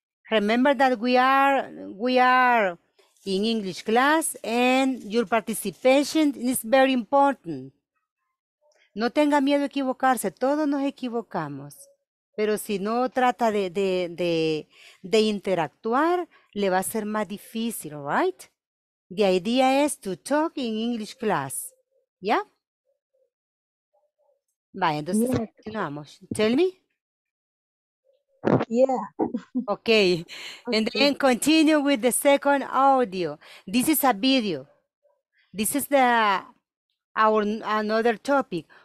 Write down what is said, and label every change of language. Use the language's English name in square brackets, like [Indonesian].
[English] Remember that we are in English class, and your participation is very important. [Spanish] No tenga miedo a equivocarse, todos nos equivocamos. Pero si no trata de interactuar, le va a ser más difícil, right? [English] The idea is to talk in English class, ¿ya? [Spanish] Vale, entonces continuamos. [English] Tell me. Yeah. Okay. And then continue with the second audio. This is a video. This is another topic.